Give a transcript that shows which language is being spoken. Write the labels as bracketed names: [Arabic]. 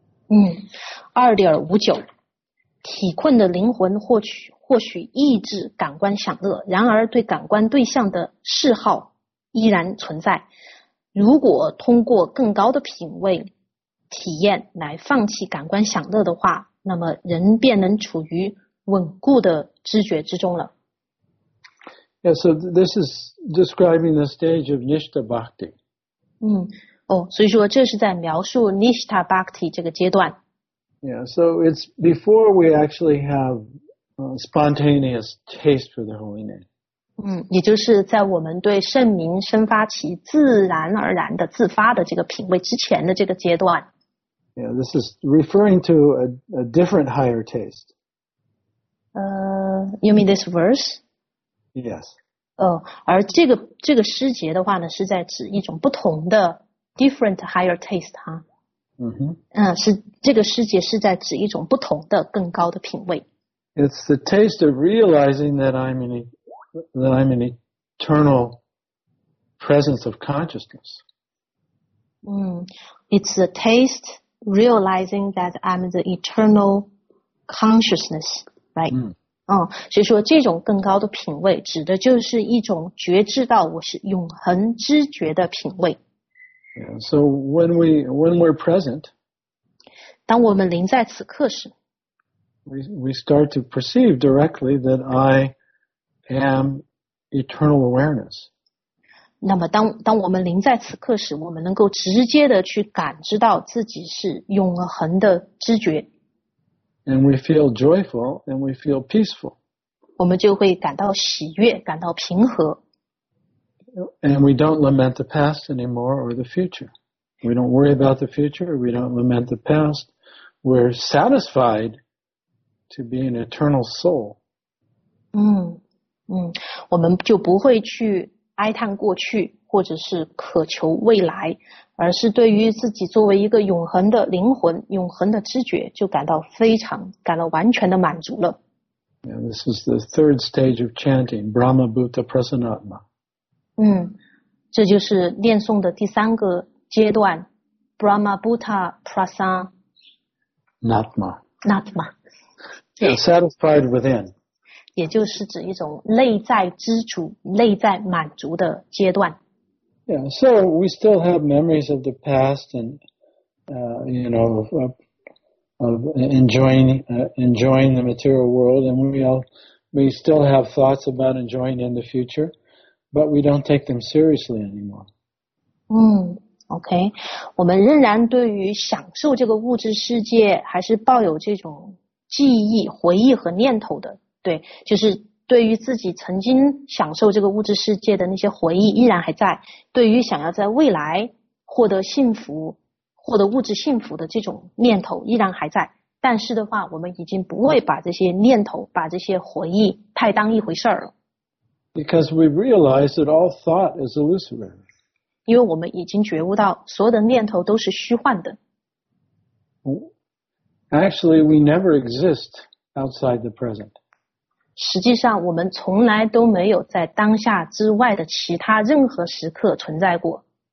[Chinese] 2.59 体困的灵魂或许抑制感官享乐，然而对感官对象的嗜好依然存在。如果通过更高的品味体验来放弃感官享乐的话，那么人便能处于稳固的知觉之中了。 [English] Yeah, so this is describing the stage of Nishtha Bhakti. [Chinese] 嗯，哦，所以说这是在描述 Nishtha Bhakti 这个阶段。 [English] Yeah, so it's before we actually have spontaneous taste for the holy name. [Chinese] 嗯，也就是在我们对圣名生发起自然而然的自发的这个品味之前的这个阶段。 [English] Yeah, this is referring to a different higher taste. You mean this verse? Yes. [Chinese] 而这个诗节的话呢，是在指一种不同的 [English] different higher taste [Chinese] 哈。嗯哼。是这个诗节是在指一种不同的更高的品味。 [English] It's the taste of realizing that I'm an eternal presence of consciousness. It's the taste realizing that I'm the eternal consciousness, right? [Chinese] 所以说这种更高的品味指的就是一种觉知到我是永恒知觉的品味。 [English] Yeah, so when we're present, [Chinese] 当我们临在此刻时， [English] we start to perceive directly that I am eternal awareness. [Chinese] 那么当我们临在此刻时，我们能够直接的去感知到自己是永恒的知觉。 [English] And we feel joyful, and we feel peaceful. [Chinese] 我们就会感到喜悦，感到平和。 [English] And we don't lament the past anymore or the future. We don't worry about the future. We don't lament the past. We're satisfied to be an eternal soul. [Chinese] 我们就不会去哀叹过去，或者是渴求未来。而是对于自己作为一个永恒的灵魂、永恒的知觉，就感到非常、感到完全的满足了。 [English] Yeah, this is the third stage of chanting, [Sanskrit] Brahma Bhuta Prasannatma. [Chinese] 这就是念诵的第三个阶段 [Sanskrit] Brahma Bhuta Prasan. Natma. Natma. [English] Satisfied within. [Chinese] 也就是指一种内在知足、内在满足的阶段。 [English] Yeah, so we still have memories of the past and, you know, of enjoying the material world, and we still have thoughts about enjoying in the future, but we don't take them seriously anymore. [Chinese] OK, 我们仍然对于享受这个物质世界还是抱有这种记忆、回忆和念头的。对，就是对于自己曾经享受这个物质世界的那些回忆依然还在，对于想要在未来获得幸福、获得物质幸福的这种念头依然还在，但是的话，我们已经不会把这些念头、把这些回忆太当一回事了。 [English] Because we realize that all thought is illusory. [Chinese] 因为我们已经觉悟到所有的念头都是虚幻的。 [English] Actually, we never exist outside the present. [Chinese] 实际上，我们从来都没有在当下之外的其他任何时刻存在过。